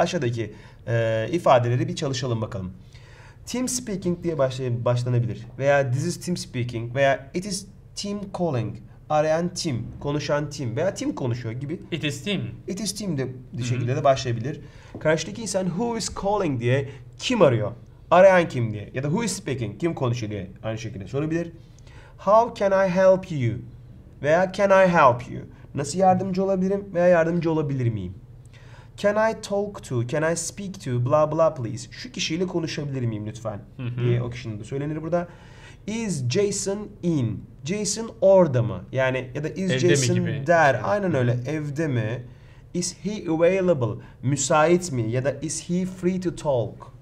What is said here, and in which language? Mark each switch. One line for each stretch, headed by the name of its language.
Turkish: Aşağıdaki ifadeleri bir çalışalım bakalım. Team speaking diye başlanabilir.
English: Veya this is team speaking veya it is team calling.
Turkish: Arayan team, konuşan team veya team konuşuyor gibi.
English: It is team. It is team
Turkish: de bir şekilde de başlayabilir. Karşıdaki insan
English: who is calling
Turkish: diye kim arıyor? Arayan kim diye ya da
English: who is speaking,
Turkish: kim konuşuyor diye aynı şekilde sorabilir.
English: How can I help you? Veya can I help you?
Turkish: Nasıl yardımcı olabilirim veya yardımcı olabilir miyim?
English: Can I talk to, can I speak to, blah blah please.
Turkish: Şu kişiyle konuşabilir miyim lütfen diye o kişinin de söylenir burada.
English: Is Jason in?
Turkish: Jason orada mı? Yani ya da is evde
English: Jason there?
Turkish: Aynen öyle. Evde mi?
English: Is he available?
Turkish: Müsait mi? Ya da
English: is he free to talk?